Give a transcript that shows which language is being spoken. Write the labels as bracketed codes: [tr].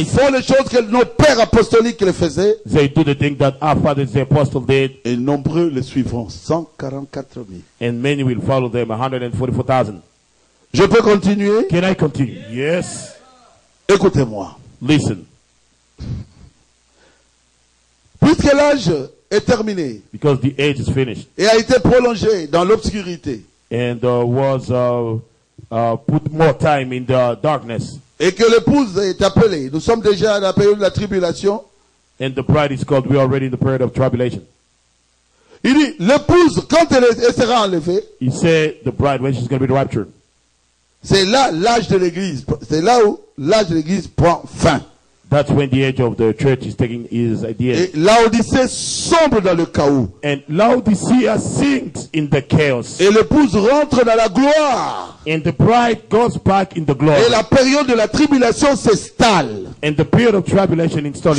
[fr] Ils font les choses que nos pères apostoliques le faisaient. [en] They do the thing that our fathers the apostles did. [fr] Et nombreux le suivront, 144 000. [en] And many will follow them, 144,000. [fr] Je peux continuer? [en] Can I continue? Yes. [fr] Écoutez-moi. [en] Listen. [fr] Puisque l'âge est terminé. [en] Because the age is finished. [fr] Et a été prolongé dans l'obscurité. [en] And was put more time in the darkness. [fr] Et que l'épouse est appelée. Nous sommes déjà à la période de la tribulation. [en] And the bride is called. We are already in the period of tribulation. [fr] Il dit l'épouse quand elle sera enlevée. [en] He said the bride when she's going to be raptured. [fr] C'est là l'âge de l'église. C'est là où l'âge de l'église prend fin. [en] That's when the age of the church is taking is at the end. [fr] Et Laodicée sombre dans le chaos. [en] And Laodicea sinks in the chaos. [fr] Et l'épouse rentre dans la gloire. [en] And the bride goes back in the glory. [fr] Et la période de la tribulation s'installe. [en] And the period of tribulation installs